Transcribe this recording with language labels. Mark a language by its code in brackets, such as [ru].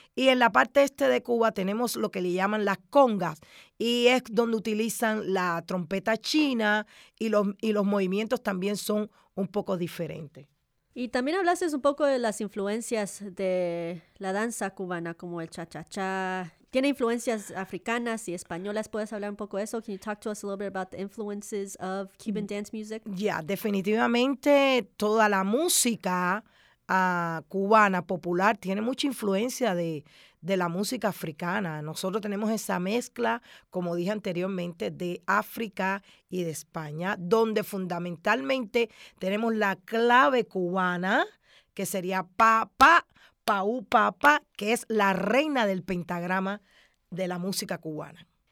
[es] Y en la parte este de Cuba tenemos lo que le llaman las congas, y es donde utilizan la trompeta china, y los movimientos también son un poco diferentes. Y también hablaste un poco de las influencias de la danza cubana, como el cha-cha-cha. Tiene influencias africanas y españolas. ¿Puedes hablar un poco de eso? [en] Can you talk to us a little bit about the influences of Cuban dance music? [es] Yeah, definitivamente toda la música cubana popular tiene mucha influencia de la música africana. Nosotros tenemos esa mezcla, como dije anteriormente, de África y de España, donde fundamentalmente tenemos la clave cubana, que sería pa, pa, pa, u, pa, pa, que es la reina del pentagrama de la música cubana.